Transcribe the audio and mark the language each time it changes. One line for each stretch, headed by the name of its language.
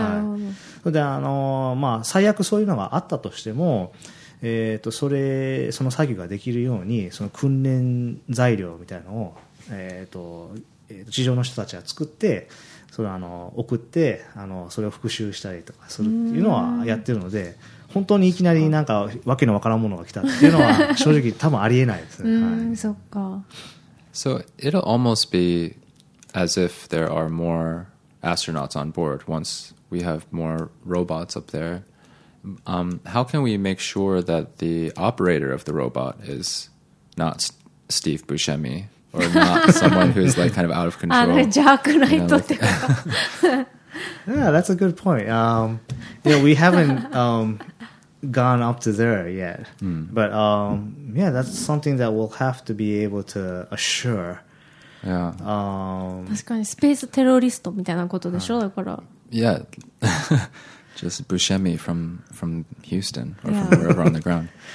Japanese: はい。で最悪そういうのがあったとしても、その作業ができるようにその訓練材料みたいなのを、地上の人たちは作ってそれ送ってそれを復習したりとかするっていうのはやってるので、本当にいきなりなんかわけのわからんものが来たっていうのは正直多分ありえないですね。そっか。
English: So it'll almost be as if there are more astronauts on board once we have more robots up there. How can we make sure that the operator of the robot is not Steve Buscemi or not someone who is like kind of out of control? Jack Knight. Yeah, that's a good point. We haven't gone up to there yet. But that's something that we'll have to be able to assure. Yeah.
Japanese: 確かにスペーステロリストみたいなことでしょ、だから。
English: Yeah. Just Buscemi from Houston or from wherever on the ground.